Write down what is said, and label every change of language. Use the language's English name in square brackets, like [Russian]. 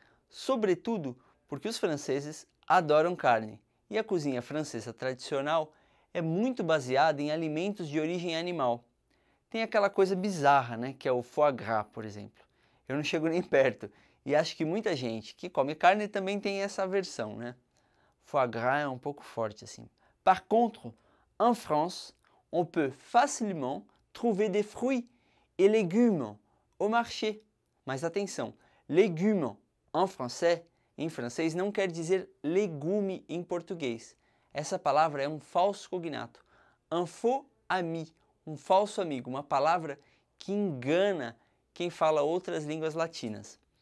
[Portuguese] Sobretudo porque os franceses adoram carne e a cozinha francesa tradicional é muito baseada em alimentos de origem animal. Tem aquela coisa bizarra, né, que é o foie gras, por exemplo. Eu não chego nem perto e acho que muita gente que come carne também tem essa aversão, né? Foie gras é um pouco forte assim. [French] Par contre, en France, on peut facilement trouver des fruits et légumes au marché. [Portuguese] Mas atenção, [French] légumes en français, [Portuguese] em francês, não quer dizer legume em português. Essa palavra é um falso cognato. [French] Un faux ami, [Portuguese] um falso amigo, uma palavra que engana quem fala outras línguas latinas.